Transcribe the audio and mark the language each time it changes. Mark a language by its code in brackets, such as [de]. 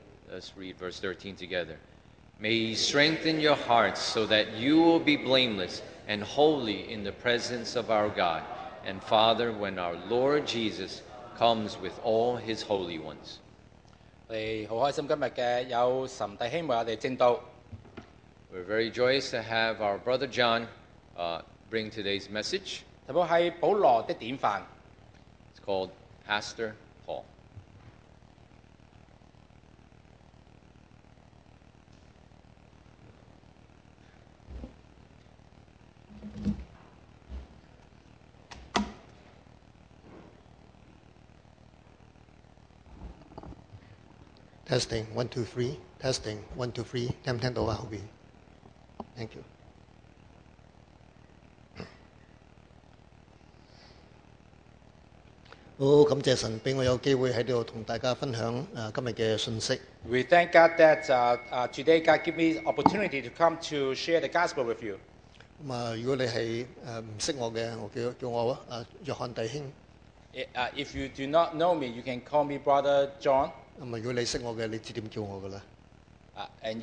[en] Let's read verse 13 together. May he strengthen your hearts so that you will be blameless and holy in the presence of our God and Father when our Lord Jesus comes with all his holy ones. [zh] 我們很開心今天有岑弟兄為我們證道。 [en] We're very joyous to have our brother John bring today's message. [zh] 特別是保羅的典範。 [en] It's called Pastor Paul. Testing, 1, 2, 3. Testing, 1, 2, 3. Tem-tem to wahubi. Thank you. [zh] Oh, 感謝神給我有機會在這裡跟大家分享今天的訊息。 [en] We thank God that today God gave me opportunity to come to share the gospel with you. [zh] 如果你是不認識我的,叫我約翰弟兄。 [en] If you do not know me, you can call me Brother John. [zh] 如果你認識我的,你知道怎麼叫我的了。And